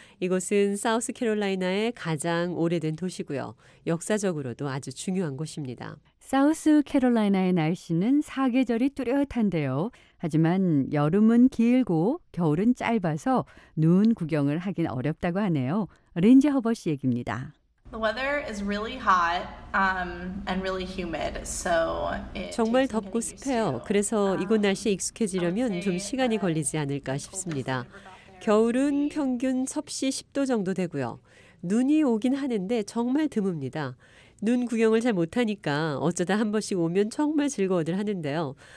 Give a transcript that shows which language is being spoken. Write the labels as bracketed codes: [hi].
[ko] 이곳은 사우스 캐롤라이나의 가장 오래된 도시고요. 역사적으로도 아주 중요한 곳입니다. 사우스 캐롤라이나의 날씨는 사계절이 뚜렷한데요. 하지만 여름은 길고 겨울은 짧아서 눈 구경을 하긴 어렵다고 하네요. 린지 허버 씨 얘기입니다. [en] The weather is really hot and really humid. So [ko] 정말 덥고 습해요. 그래서 이곳 날씨에 익숙해지려면 좀 시간이 걸리지 않을까 싶습니다. 겨울은 평균 섭씨 10도 정도 되고요. 눈이 오긴 하는데 정말 드뭅니다. 눈 구경을 잘 못 하니까 어쩌다 한 번씩 오면 정말 즐거워들 하는데요.